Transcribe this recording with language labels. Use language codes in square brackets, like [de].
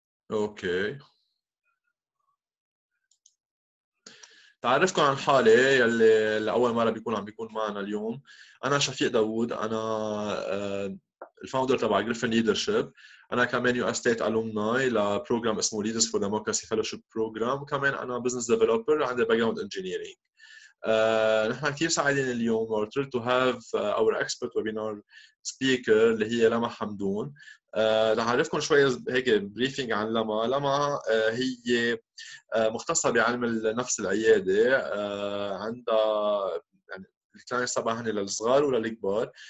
[ar] أوكي. تعرفكم عن حالي يلي لأول مرة بيكون عم بيكون معنا اليوم. أنا شفيق داود، أنا الفاوندر تبع Griffin Leadership. أنا كمان US State Alumni لبروجرام اسمه Leaders for Democracy Fellowship Program. كمان أنا Business Developer عندي Background Engineering. نحن كتير سعيدين اليوم [en] we're thrilled to have our expert webinar speaker [ar] اللي هي لما حمدون. لعرفكم شوية هيك بريفينج عن لما. لما هي مختصة بعلم النفس العيادة، عندها الكلاينتس تبعها هن للصغار وللكبار.